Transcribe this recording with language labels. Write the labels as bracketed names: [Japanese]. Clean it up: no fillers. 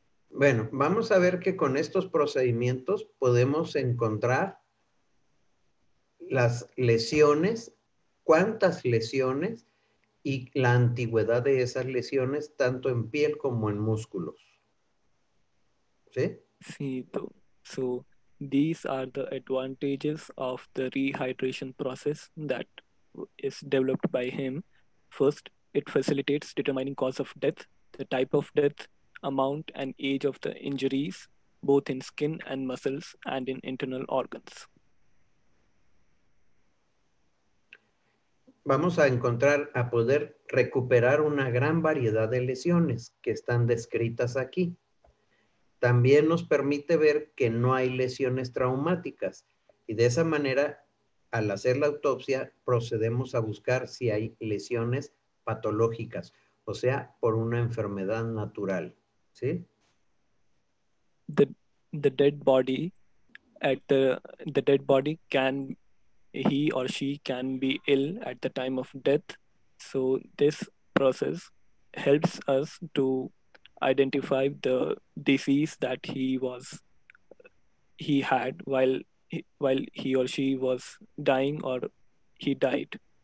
[Spanish] Bueno, vamos a ver que con estos procedimientos podemos encontrar las lesiones, cuántas lesiones y la antigüedad de esas lesiones, tanto en piel como en músculos. ¿Sí? Sí, tú. So. [English] These are the advantages of the rehydration process that is developed by him. First, it facilitates determining cause of death, the type of death, amount and age of the injuries, both in skin and muscles and in internal organs. [Spanish] Vamos a encontrar a poder recuperar una gran variedad de lesiones que están descritas aquí. También nos permite ver que no hay lesiones traumáticas y de esa manera, al hacer la autopsia, procedemos a buscar si hay lesiones patológicas, o sea, por una enfermedad natural, ¿sí? [English] The dead body at the dead body can he or she can be ill at the time of death, so this process helps us to identify the disease that he had while he or she was dying or he died.